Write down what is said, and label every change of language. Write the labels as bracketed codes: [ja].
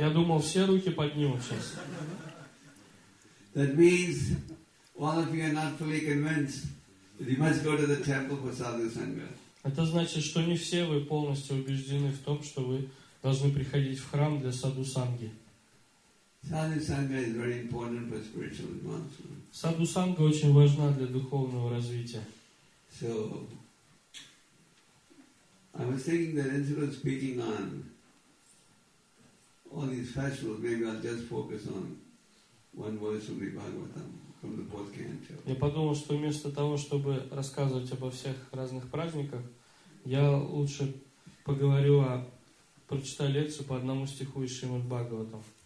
[ru] Я думал, все руки поднимут сейчас. [en] That means all of you are not fully convinced that you must go to the temple for sadhu sangha. [ru] Это значит, что не все вы полностью убеждены в том, что вы должны приходить в храм для саду санги. [en] Sadhu sangha is very important for spiritual advancement. [ru] Саду санга очень важна для духовного развития. [en] So I was thinking that instead of speaking on all these festivals, maybe I'll just focus on one verse from the Bhagavatam. [ru] Я подумал, что вместо того, чтобы рассказывать обо всех разных праздниках, я лучше поговорю о прочитаю лекцию по одному стиху из Шримад Бхагаватам.